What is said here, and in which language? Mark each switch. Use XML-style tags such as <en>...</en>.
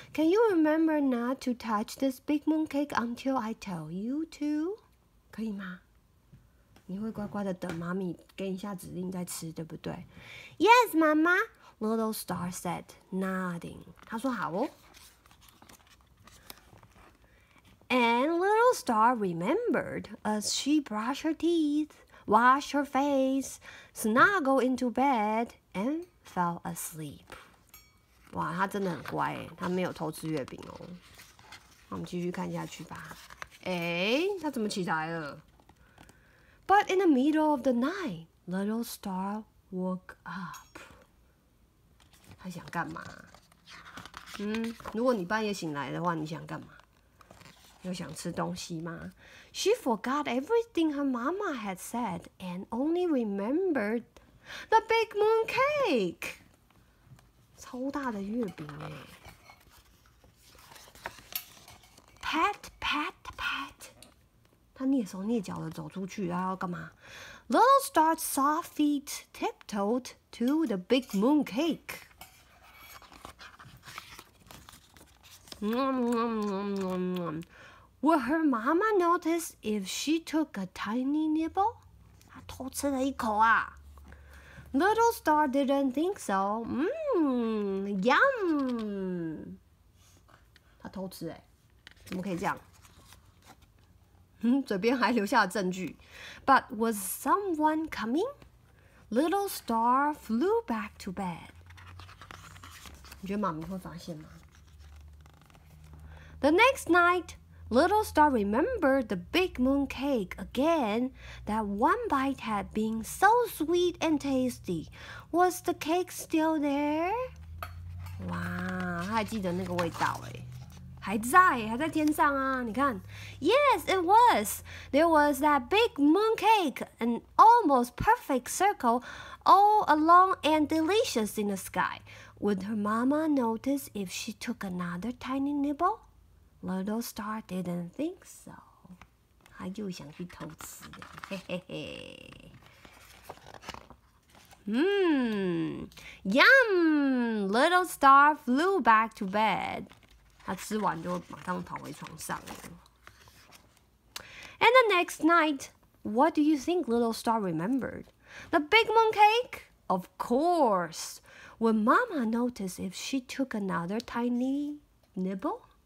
<en>Can you remember not to touch this big moon cake until I tell you to?</en> <zh>可以吗？你会乖乖的等妈咪给你下指令再吃，对不对？</zh> <en>Yes, Mama, Little Star said, nodding.</en> <zh>她说好哦。</zh> <en>And Little Star remembered as she brushed her teeth, washed her face, snuggled into bed, and fell asleep.</en> <zh>哇，她真的很乖耶，她没有偷吃月饼哦。我们继续看下去吧。诶，她怎么起来了？</zh> <en>But in the middle of the night, Little Star woke up.</en> <zh>他想干嘛？如果你半夜醒来的话，你想干嘛？又想吃东西吗？</zh> <en>She forgot everything her mama had said and only remembered the big moon cake.</en> <zh>超大的月饼耶。</zh> <en>Pat, pat, pat.</en> <zh>他蹑手蹑脚的走出去，他要干嘛？</zh> <en>Little Star's soft feet tiptoed to the big moon cake. 嗯 Would her mama notice if she took a tiny nibble?</en> <zh>他偷吃了一口啊。</zh> <en>Little Star didn't think so. Yum.</en> <zh>他偷吃耶，怎么可以这样？嘴边还留下了证据。</zh> <en>But was someone coming? Little Star flew back to bed.</en> <zh>你觉得妈咪会发现吗？</zh> <en>The next night, Little Star remembered the big moon cake again. That one bite had been so sweet and tasty. Was the cake still there?</en> <zh>哇，他还记得那个味道耶。还在天上啊，你看。</zh> <en>Yes, it was. There was that big moon cake, an almost perfect circle, all alone and delicious in the sky. Would her mama notice if she took another tiny nibble? Little Star didn't think so.</en> <zh>他又想去偷吃的，嘿嘿嘿。</zh> <en>Yum! Little Star flew back to bed.</en> <zh>他吃完就马上跑回床上了。</zh> <en>And the next night, what do you think Little Star remembered? The big moon cake? Of course. Would Mama notice if she took another tiny nibble?</en>